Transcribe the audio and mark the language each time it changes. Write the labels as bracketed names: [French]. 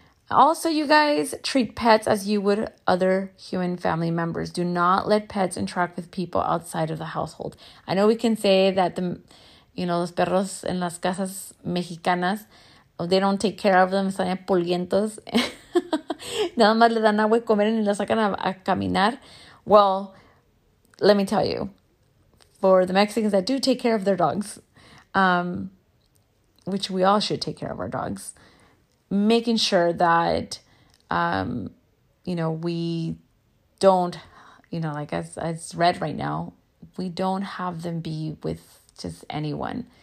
[English] Also, you guys, treat pets as you would other human family members. Do not let pets interact with people outside of the household. I know we can say that the, you know, [Spanish] los perros en las casas mexicanas, [English] they don't take care of them. [Spanish] Están pulgientos. Nada más le dan agua y comer y la sacan a caminar. [English] Well, let me tell you, for the Mexicans that do take care of their dogs, which we all should take care of our dogs, making sure that, you know, we don't, you know, like as red right now, we don't have them be with just anyone.